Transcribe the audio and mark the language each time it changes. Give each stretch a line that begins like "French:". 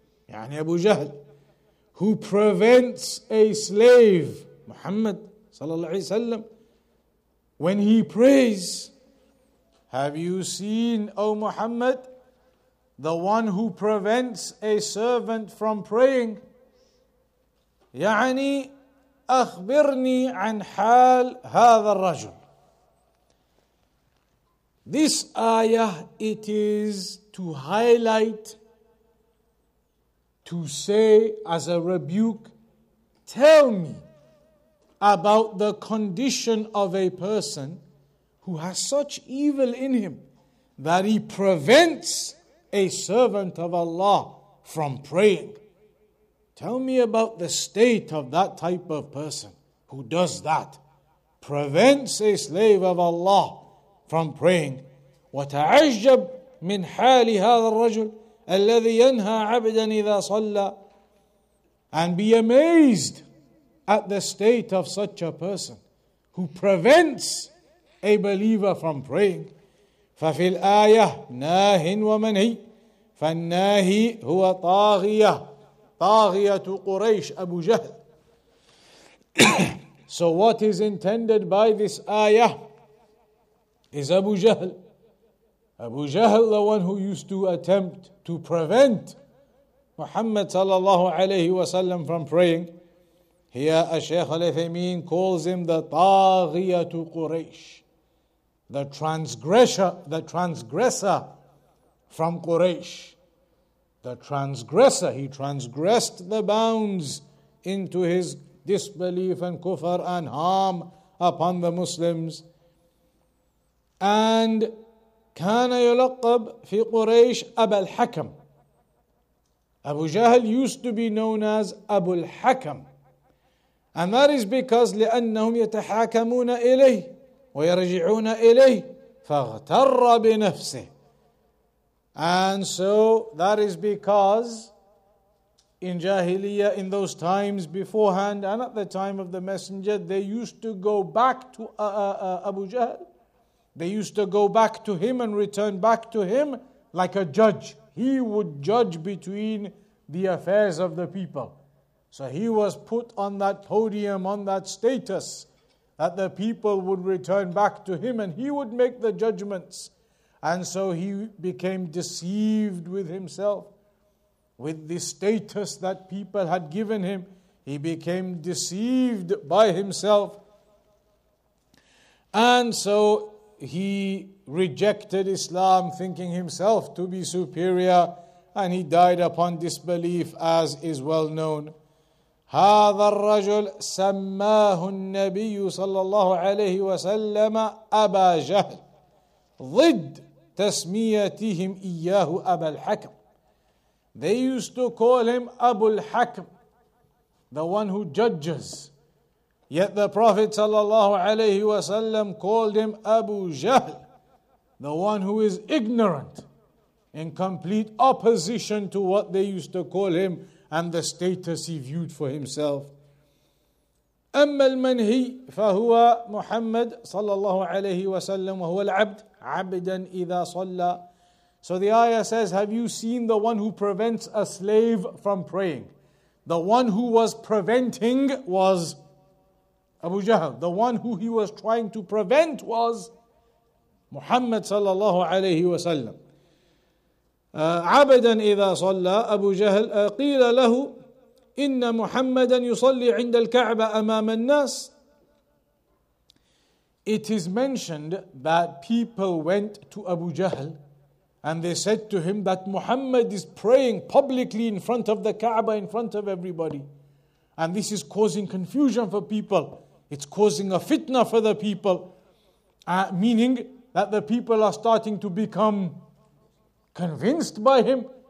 Arabic: يعني أبو جهل,
English: who prevents a slave, Muhammad صلى الله عليه وسلم, when he prays. Have you seen, O Muhammad, the one who prevents a servant from praying?
Arabic: يعني أخبرني عن حال هذا الرجل.
English: This ayah, it is to highlight, to say as a rebuke, tell me about the condition of a person who has such evil in him that he prevents a servant of Allah from praying. Tell me about the state of that type of person who does that, prevents a slave of Allah from praying.
Arabic: وتعجب من حال هذا الرجل الذي ينهى عبدا إذا صلى.
English: And be amazed at the state of such a person who prevents a believer from praying.
Arabic: ففي الآية ناهي ومنهي. فالناهي هو طاغية, طاغية قريش, أبو جهل.
English: So what is intended by this ayah is Abu Jahl. Abu Jahl, the one who used to attempt to prevent Muhammad sallallahu alayhi wa sallam from praying, Here, Ash-Shaykh al-Uthaymeen calls him the Taghiyatu Quraysh, the transgressor from Quraysh. The transgressor, he transgressed the bounds into his disbelief and kufr and harm upon the Muslims.
Arabic: And kana yulaqab fi Quraysh Abu al-Hakam.
English: Abu Jahl used to be known as Abu al-Hakam. And that is because
Arabic: لأنهم يتحاكمون إليه ويرجعون إليه فاغتر بنفسه.
English: And so that is because in Jahiliyyah, in those times beforehand and at the time of the messenger, they used to go back to Abu Jahl. They used to go back to him and return back to him like a judge. He would judge between the affairs of the people. So he was put on that podium, on that status, that the people would return back to him and he would make the judgments. And so he became deceived with himself, with the status that people had given him. He became deceived by himself. And so he rejected Islam, thinking himself to be superior, and he died upon disbelief, as is well known.
Arabic: هذا الرجل سماه النبي صلى الله عليه وسلم أبا جهل ضد تسميتهم إياه أبا الحكم.
English: They used to call him Abu al-Hakam, the one who judges. Yet the Prophet صلى الله عليه وسلم called him Abu Jahl, the one who is ignorant, in complete opposition to what they used to call him and the status he viewed for himself.
Arabic: أما المنهي فهو محمد صلى الله عليه وسلم وهو العبد عبدا إذا صلى.
English: So the ayah says, have you seen the one who prevents a slave from praying? The one who was preventing was Abu Jahl. The one who he was trying to prevent was Muhammad sallallahu alayhi wa sallam.
Arabic: عبدا إذا صلى أبو جهل قيل له إن محمدا يصلي عند الكعبة أمام الناس.
English: It is mentioned that people went to Abu Jahl and they said to him that Muhammad is praying publicly in front of the Kaaba, in front of everybody. And this is causing confusion for people. It's causing a fitna for the people, meaning that the people are starting to become convinced by him.